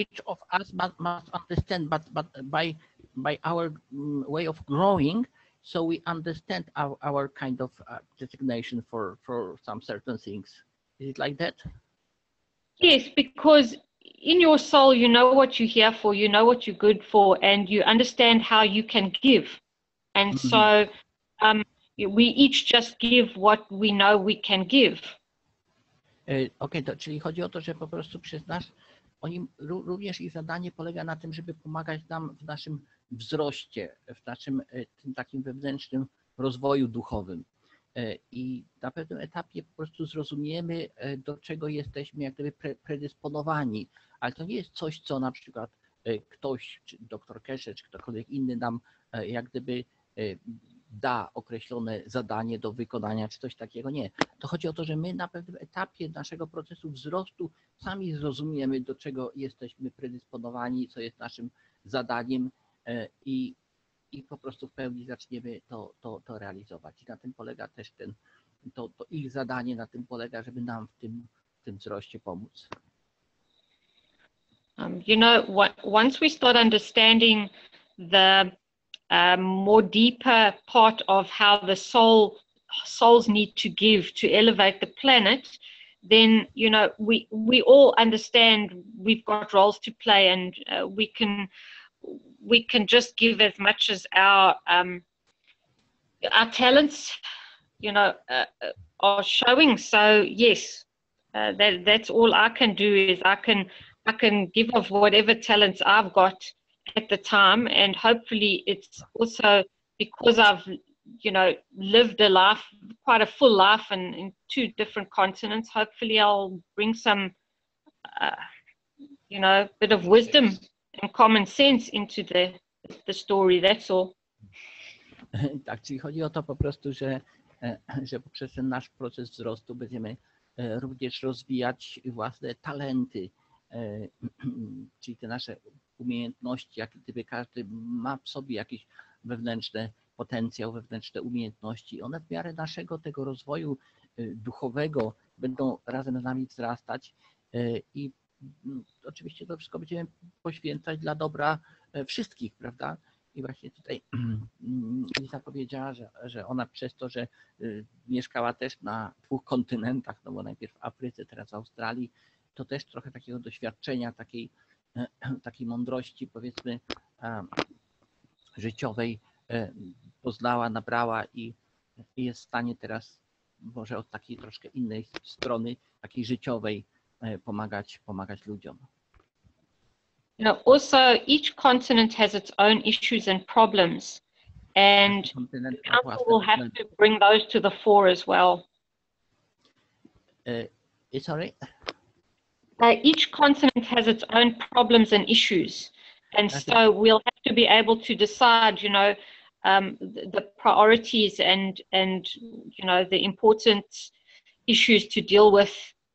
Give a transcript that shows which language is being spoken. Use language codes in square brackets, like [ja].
[en] Each of us must understand, but by our way of growing, so we understand our kind of designation for some certain things. Is it like that? Yes, because in your soul, you know what you're here for, you know what you're good for, and you understand how you can give. And mm-hmm. so we each just give what we know we can give. [pl] Okej, okay, czyli chodzi o to, że po prostu przyznasz, oni również ich zadanie polega na tym, żeby pomagać nam w naszym wzroście, w naszym tym takim wewnętrznym rozwoju duchowym. I na pewnym etapie po prostu zrozumiemy, do czego jesteśmy jak gdyby predysponowani, ale to nie jest coś, co na przykład ktoś, czy doktor Keshe, czy ktokolwiek inny nam jak gdyby da określone zadanie do wykonania, czy coś takiego, nie. To chodzi o to, że my na pewnym etapie naszego procesu wzrostu sami zrozumiemy, do czego jesteśmy predysponowani, co jest naszym zadaniem i po prostu w pełni zaczniemy to realizować. I na tym polega też to ich zadanie, na tym polega, żeby nam w tym wzroście pomóc. [en] Once we start understanding the more deeper part of how the souls need to give to elevate the planet, then we all understand we've got roles to play, and we can just give as much as our talents are showing. So yes, that's all I can do, is I can give of whatever talents I've got at the time, and hopefully it's also because I've lived a life, quite a full life, and in two different continents, hopefully I'll bring some bit of wisdom and common sense into the story, that's all. [pl] Tak, czyli chodzi o to po prostu, że poprzez ten nasz proces wzrostu będziemy również rozwijać własne talenty, czyli te nasze umiejętności, jak gdyby każdy ma w sobie jakiś wewnętrzny potencjał, wewnętrzne umiejętności. One w miarę naszego tego rozwoju duchowego będą razem z nami wzrastać i oczywiście to wszystko będziemy poświęcać dla dobra wszystkich, prawda? I właśnie tutaj Lisa powiedziała, że ona przez to, że mieszkała też na dwóch kontynentach, no bo najpierw w Afryce, teraz w Australii, to też trochę takiego doświadczenia, takiej mądrości, powiedzmy, życiowej poznała, nabrała i jest w stanie teraz może od takiej troszkę innej strony, takiej życiowej, pomagać ludziom. [en] Also each continent has its own issues and problems, and council will have to bring those to the fore as well. Sorry? Each continent has its own problems and issues, and so we'll have to be able to decide, the priorities and the important issues to deal with.